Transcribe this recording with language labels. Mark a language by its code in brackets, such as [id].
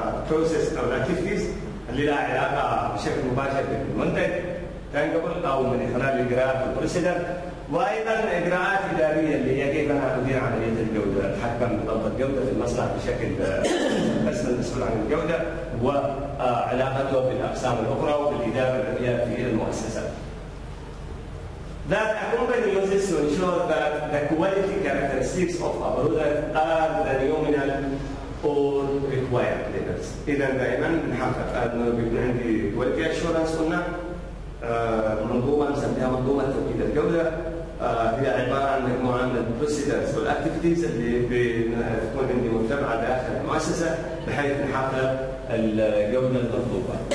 [ar] البروسيس او الاكتيفيتيز اللي لها علاقه بشكل مباشر بالمنتج كان قبل او من خلال الاجراءات البروسيدر، وايضا اجراءات اداريه اللي هي كيف انا ادير عمليه الجوده، اتحكم بضبط الجوده في المصنع بشكل بس المسؤول عن الجوده وعلاقته بالاقسام الاخرى وبالاداره العليا في المؤسسه. [en] That accompanies this to ensure that the quality characteristics of a product are the nominal or required levels. [ar] اذا دائما بنحقق انه بيكون عندي quality assurance قلنا منظومه نسميها منظومه توكيد الجوده، هي عباره عن مجموعه من البروسيدرز والاكتيفيتيز اللي بتكون عندي متبعه داخل المؤسسه بحيث نحقق الجوده المطلوبه.